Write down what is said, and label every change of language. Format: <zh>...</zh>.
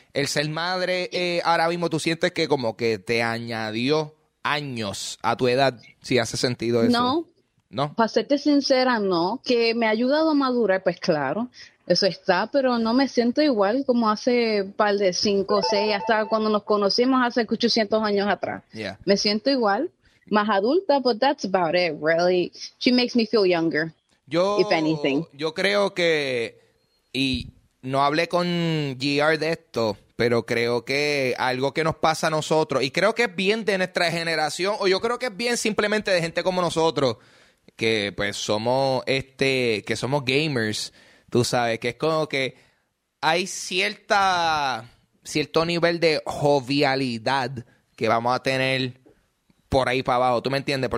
<es>El ser madre, ahora mismo, ¿tú sientes que como que te añadió años a tu edad? Si hace sentido eso. No. ¿No? Para serte sincera, no. Que me ha ayudado a madurar, pues claro. Eso está, pero no me siento igual como hace par de 5 o 6, hasta cuando nos conocimos hace 800 años atrás.</es> <en>Yeah.</en> <es>Me siento igual, más adulta,</es> <en>but that's about it, really. She makes me feel younger, if anything.</en> <es>Yo creo que... No hablé con GR de esto, pero creo que algo que nos pasa a nosotros, y creo que es bien de nuestra generación, o yo creo que es bien simplemente de gente como nosotros, que pues somos que somos gamers, tú sabes, que es como que hay cierto nivel de jovialidad que vamos a tener por ahí para abajo, ¿tú me entiendes?</es>